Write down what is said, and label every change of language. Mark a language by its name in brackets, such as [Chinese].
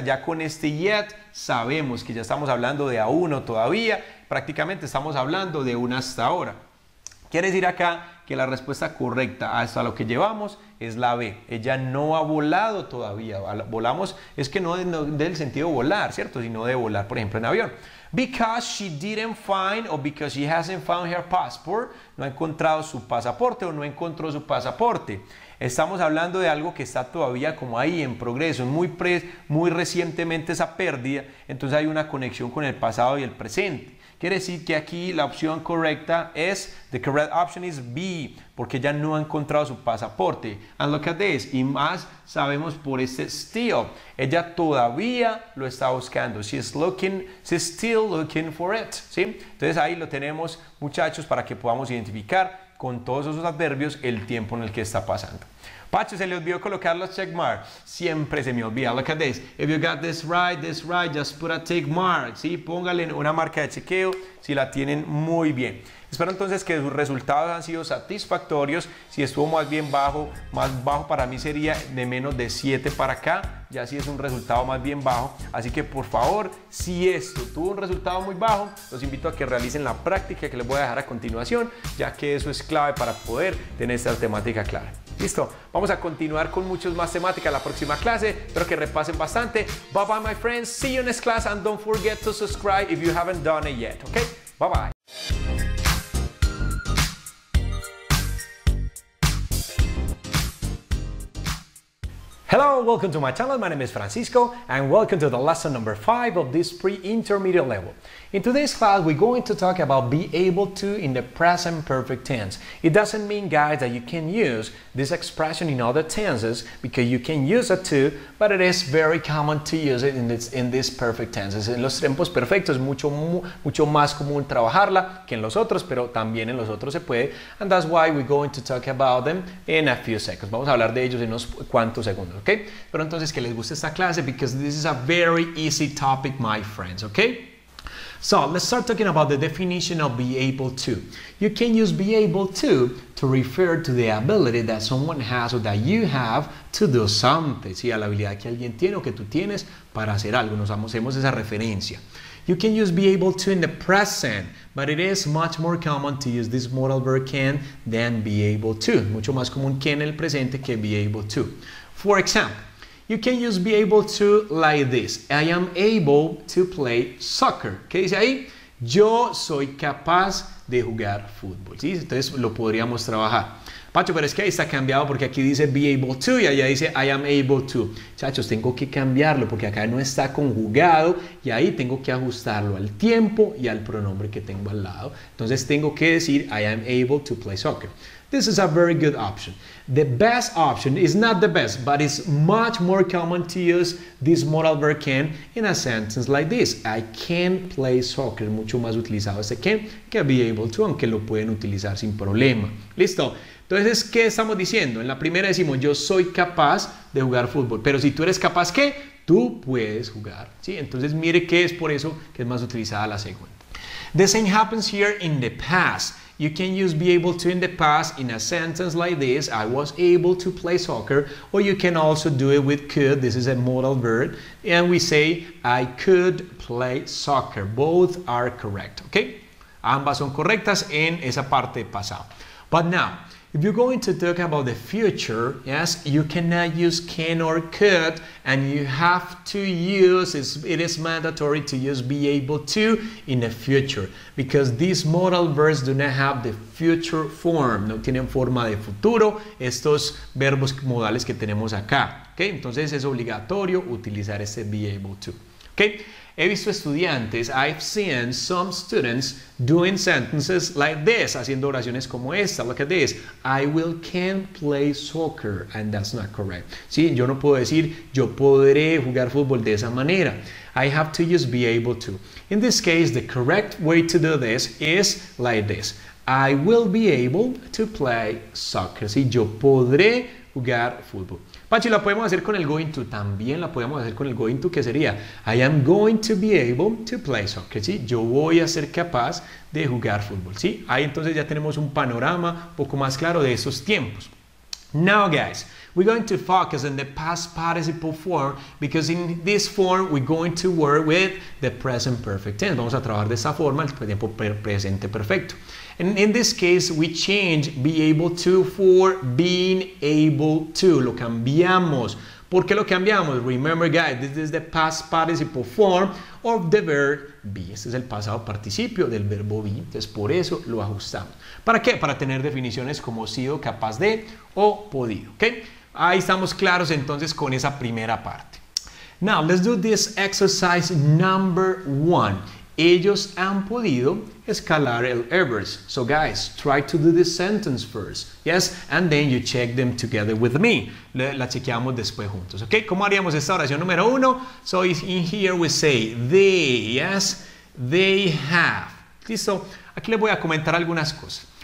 [Spanish] Ya con este yet sabemos que ya estamos hablando de aún o todavía. Prácticamente estamos hablando de una hasta ahora. Quiere decir acá que la respuesta correcta hasta lo que llevamos es la B. Ella no ha volado todavía. Volamos es que no del sentido volar, ¿cierto? Sino de volar, por ejemplo, en avión. [English] Because she didn't find or because she hasn't found her passport. [Spanish] No ha encontrado su pasaporte o no encontró su pasaporte. Estamos hablando de algo que está todavía como ahí en progreso. Muy recientemente esa pérdida. Entonces hay una conexión con el pasado y el presente. Quiere decir que aquí la opción correcta es, [English] the correct option is B, [Spanish] porque ya no ha encontrado su pasaporte. [English] And look at this, [Spanish] y más sabemos por este still. Ella todavía lo está buscando. [English] She's still looking for it. [Spanish] ¿Sí? Entonces ahí lo tenemos, muchachos, para que podamos identificar con todos esos adverbios el tiempo en el que está pasando. Pacho, se le olvidó colocar los check marks. Siempre se me olvida. [English] Look at this. If you got this right, just put a tick mark. [Spanish] Sí, póngale una marca de chequeo si la tienen muy bien. Espero entonces que sus resultados han sido satisfactorios. Si estuvo más bien bajo, más bajo para mí sería de menos de 7 para acá. Ya sí es un resultado más bien bajo. Así que por favor, si esto tuvo un resultado muy bajo, los invito a que realicen la práctica que les voy a dejar a continuación, ya que eso es clave para poder tener esta temática clara. Listo, vamos a continuar con muchos más temáticas la próxima clase. Espero que repasen bastante. [English] Bye bye, my friends. See you next class and don't forget to subscribe if you haven't done it yet. Okay? Bye bye. Hello, welcome to my channel. My name is Francisco and welcome to the lesson number 5 of this pre-intermediate level. In today's class, we're going to talk about be able to in the present perfect tense. It doesn't mean, guys, that you can use this expression in other tenses because you can use it too, but it is very common to use it in this perfect tenses. [Spanish] En los tiempos perfectos es mucho más común trabajarla que en los otros, pero también en los otros se puede. [English] And that's why we're going to talk about them in a few seconds. [Spanish] Vamos a hablar de ellos en unos cuantos segundos, ¿ok? Pero entonces que les guste esta clase [English] because this is a very easy topic, my friends, ¿ok? So, let's start talking about the definition of be able to. You can use be able to refer to the ability that someone has or that you have to do something. [Spanish] Sí, a la habilidad que alguien tiene o que tú tienes para hacer algo. Nos hacemos esa referencia. [English] You can use be able to in the present, but it is much more common to use this modal verb can than be able to. [Spanish] Mucho más común can en el presente que be able to. [English] For example, you can use be able to like this. I am able to play soccer. [Spanish] ¿Qué dice ahí? Yo soy capaz de jugar fútbol. ¿Sí? Entonces lo podríamos trabajar. Pacho, pero es que ahí está cambiado porque aquí dice be able to y allá dice I am able to. Chachos, tengo que cambiarlo porque acá no está conjugado y ahí tengo que ajustarlo al tiempo y al pronombre que tengo al lado. Entonces tengo que decir [English] I am able to play soccer. This is a very good option. The best option is not the best, but it's much more common to use this modal verb can in a sentence like this. I can play soccer. [Spanish] Mucho más utilizado ese can que be able to, aunque lo pueden utilizar sin problema. ¿Listo? Entonces, ¿qué estamos diciendo? En la primera decimos, yo soy capaz de jugar fútbol. Pero si tú eres capaz, ¿qué? Tú puedes jugar. ¿Sí? Entonces, mire que es por eso que es más utilizada la segunda. [English] The same happens here in the past. You can use be able to in the past in a sentence like this. I was able to play soccer. Or you can also do it with could. This is a modal verb. And we say, I could play soccer. Both are correct. [Spanish] Okay? Ambas son correctas en esa parte pasado. [English] But now, if you're going to talk about the future, yes, you cannot use can or could, and you have to use, it is mandatory to use be able to in the future, because these modal verbs do not have the future form, [Spanish] no tienen forma de futuro, estos verbos modales que tenemos acá, [English] okay? [Spanish] Entonces es obligatorio utilizar ese be able to, okay? He visto estudiantes, [English] I've seen some students doing sentences like this, [Spanish] haciendo oraciones como esta. [English] Look at this. I will can play soccer, and that's not correct. [Spanish] Sí, yo no puedo decir, yo podré jugar fútbol de esa manera. [English] I have to use be able to. In this case, the correct way to do this is like this. I will be able to play soccer. [Spanish] Sí, yo podré jugar fútbol. Pachi, la podemos hacer con el going to, también la podemos hacer con el going to, que sería [English] I am going to be able to play soccer, [Spanish] ¿sí? Yo voy a ser capaz de jugar fútbol, ¿sí? Ahí entonces ya tenemos un panorama un poco más claro de esos tiempos. [English] Now guys, we're going to focus on the past participle form because in this form we're going to work with the present perfect tense. [Spanish] Vamos a trabajar de esa forma, el tiempo presente perfecto. [English] And in this case, we change be able to for being able to. [Spanish] Lo cambiamos. ¿Por qué lo cambiamos? [English] Remember, guys, this is the past participle form of the verb be. [Spanish] Este es el pasado participio del verbo be. Entonces, por eso lo ajustamos. ¿Para qué? Para tener definiciones como sido, capaz de o podido. ¿Okay? Ahí estamos claros entonces con esa primera parte. [English] Now, let's do this exercise number one. [Spanish] Ellos han podido escalar el Everest. [English] So guys, try to do this sentence first. Yes, and then you check them together with me. [Spanish] La chequeamos después juntos. Okay, ¿cómo haríamos esta oración número uno? [English] So in here we say, they, yes, they have. [Spanish] Listo, aquí les voy a comentar algunas cosas.